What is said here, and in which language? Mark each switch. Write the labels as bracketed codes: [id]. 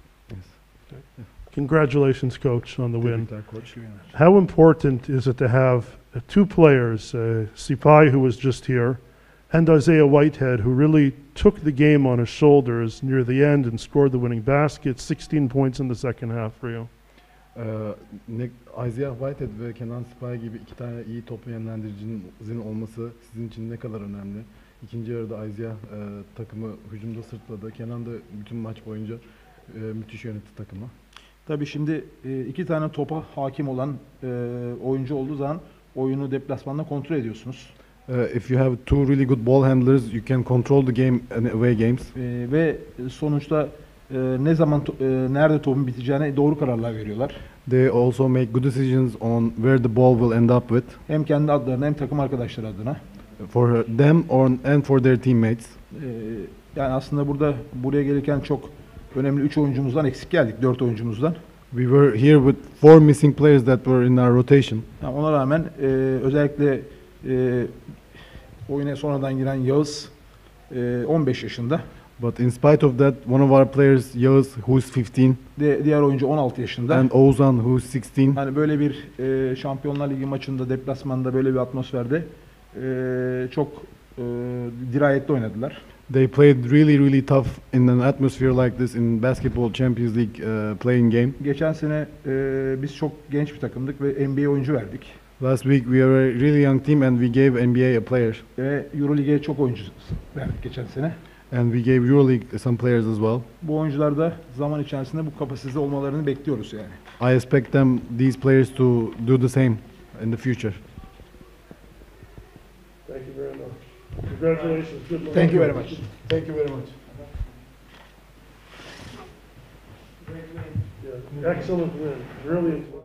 [en] Yes. Congratulations, coach, on the win. How important is it to have two players, Sipai, who was just here, and Isaiah Whitehead, who really took the game on his shoulders near the end and scored the winning basket, 16 points in the second half for you? [tr] Isaiah Whitehead ve Kenan Sipay gibi iki tane iyi top yönlendiricinin olması sizin için ne kadar önemli? İkinci yarıda Isaiah takımı hücumda sırtladı. Kenan da bütün maç boyunca müthiş yönetti takımı. Tabii şimdi iki tane topa hakim olan oyuncu olduğu zaman oyunu deplasmanda kontrol ediyorsunuz. [en] If you have two really good ball handlers, you can control the game and away games. [tr] Ve sonuçta ne zaman nerede topun biteceğine doğru kararlar veriyorlar. [en] They also make good decisions on where the ball will end up with. [tr] Hem kendi adlarına hem takım arkadaşları adına. [en] For them or and for their teammates. [tr] Yani aslında buraya gelirken çok önemli 3 oyuncumuzdan eksik geldik, 4 oyuncumuzdan. [en] We were here with 4 missing players that were in our rotation. [tr] Yani ona rağmen özellikle oyuna sonradan giren Yağız 15 yaşında. [en] But in spite of that, one of our players, Yağız, who's 15. [tr] Diğer oyuncu 16 yaşında. [en] And Ozan, who's 16. [tr] Hani böyle bir Şampiyonlar Ligi maçında, deplasmanda böyle bir atmosferde çok dirayetli oynadılar. [en] They played really, really tough in an atmosphere like this in Basketball Champions League playing game. [tr] Geçen sene biz çok genç bir takımdık ve NBA oyuncu verdik. [en] Last week we were a really young team and we gave NBA a player. [tr] Ve Euroleague'e çok oyuncu verdik geçen sene. [en] And we gave Euroleague some players as well. [tr] Bu oyuncular da zaman içerisinde bu kapasitede olmalarını bekliyoruz yani. [en] I expect them these players to do the same in the future. Thank you very much. Congratulations. Good luck. Thank you very much. Thank you very much. Excellent win. Brilliant.